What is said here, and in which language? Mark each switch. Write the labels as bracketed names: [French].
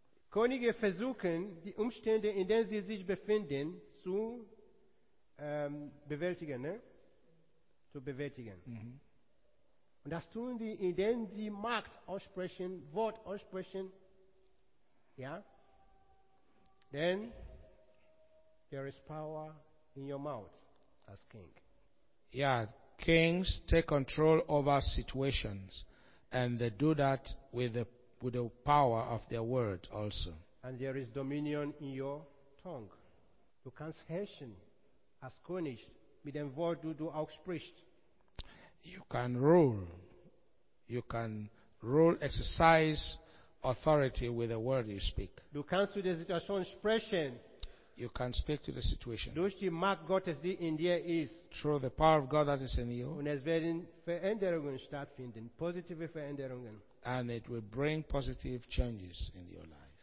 [German] Könige versuchen, die Umstände, in denen sie sich befinden, zu bewältigen. Ne? Zu bewältigen. Mm-hmm. Und das tun sie, indem sie Macht aussprechen, Wort aussprechen. Ja? [English] Denn there is power in your mouth as king. Yeah, kings take control over situations, and they do that with the power of their word also. And there is dominion in your tongue. [German] Du kannst herrschen als König mit dem Wort, du auch sprichst. [English] You can rule. You can rule, exercise authority with the word you speak. [German] Du kannst zu der Situation sprechen. [English] You can speak to the situation. [German] Durch die Macht Gottes, die in dir ist. [English] Through the power of God that is in you. [German] Und es werden Veränderungen stattfinden, positive Veränderungen. [English] And it will bring positive changes in your life.